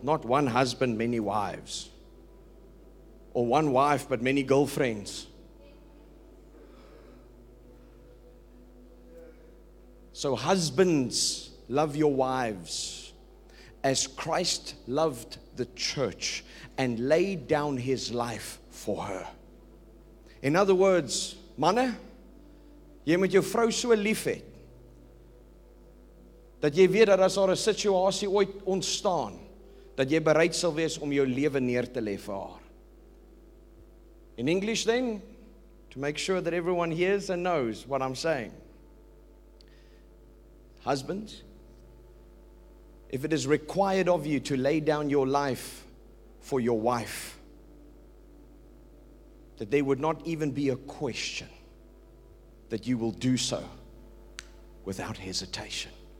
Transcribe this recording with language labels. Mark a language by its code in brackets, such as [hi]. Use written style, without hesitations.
[en] Not one husband, many wives. Or one wife, but many girlfriends. So husbands, love your wives as Christ loved the church and laid down his life for her. In other words, [af] manne, jy moet jou vrou so lief hê dat jy weet dat as daar 'n situasie ooit ontstaan, dat jy bereid sal wees om jou lewe neer te lê vir haar. [en] In English then, to make sure that everyone hears and knows what I'm saying. Husbands, if it is required of you to lay down your life for your wife, that there would not even be a question that you will do so without hesitation.